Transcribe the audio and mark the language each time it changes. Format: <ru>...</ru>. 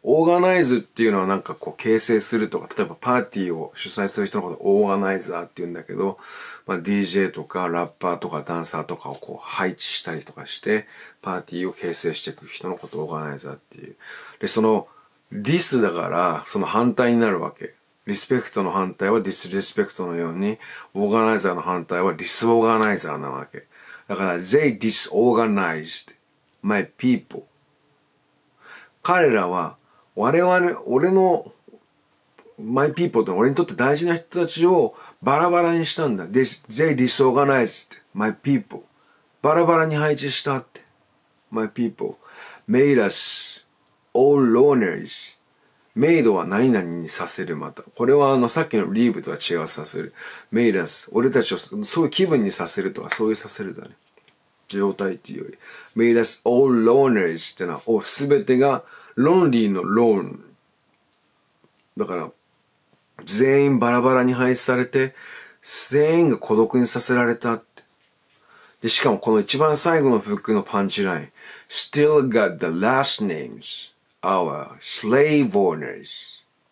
<ja>オーガナイズっていうのはなんかこう形成するとか、例えばパーティーを主催する人のことをオーガナイザーっていうんだけど、まあ、DJ とかラッパーとかダンサーとかをこう配置したりとかしてパーティーを形成していく人のことをオーガナイザーっていう。でその Dis だから、その反対になるわけ。リスペクトの反対はディスリスペクトのように、オーガナイザーの反対はディスオーガナイザーなわけ。だから</ja> <en>They disorganized my people。</en> <ja>彼らは我々、俺の</ja> <en>my people</en> <ja>って俺にとって大事な人たちをバラバラにしたんだ。</ja> <en>They disorganized my people、</en> <ja>バラバラに配置したって。</ja> <en>my people made us all loners。</en> <ja>made は何々にさせる。またこれはあのさっきの leave とは違う、させる。 made us、 俺たちをそういう気分にさせるとか、そういうさせるだね、状態っていうより。</ja> <en>Made us all loners</en> <ja>ってのは、すべてが lonely の lone。だから、全員バラバラに配置されて、全員が孤独にさせられたって。で、しかもこの一番最後のフックのパンチライン。</ja> <en>Still got the last names, our slave owners。</en>